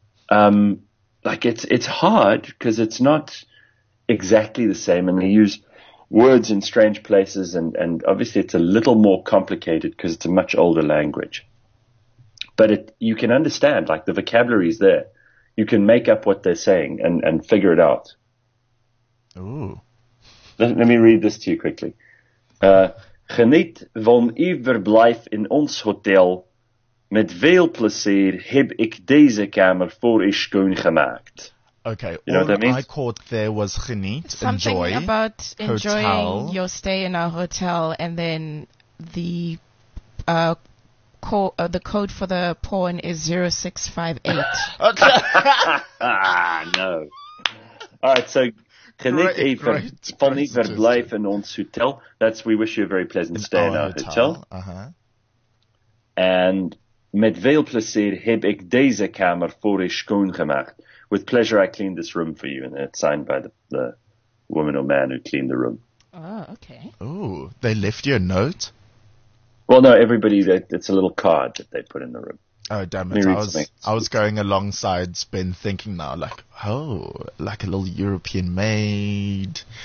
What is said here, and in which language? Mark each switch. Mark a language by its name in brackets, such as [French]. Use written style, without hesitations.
[English] Like it's hard because it's not exactly the same, and they use words in strange places, and obviously it's a little more complicated because it's a much older language. But you can understand, like, the vocabulary is there. You can make up what they're saying and figure it out. Ooh. Let me read this to you quickly. [Dutch] Geniet van uw verblijf in ons hotel. Met veel plezier heb ik deze kamer voor u schoongemaakt. [English] Okay, you know all I caught there was geniet, enjoy. Something about enjoying hotel. Your stay in our hotel, and then the code for the porn is 0658. No. All right, so [Dutch] geniet even van uw verblijf in ons hotel. [English] That's, we wish you a very pleasant stay in our hotel. [Dutch] And met veel plezier heb ik deze kamer voor u schoongemaakt. [English] With pleasure, I cleaned this room for you. And it's signed by the woman or man who cleaned the room. Oh, okay. Ooh, they left you a note? Well, no, everybody, it's a little card that they put in the room. Oh, damn it. I was going alongside Ben thinking now, like, oh, like a little European maid.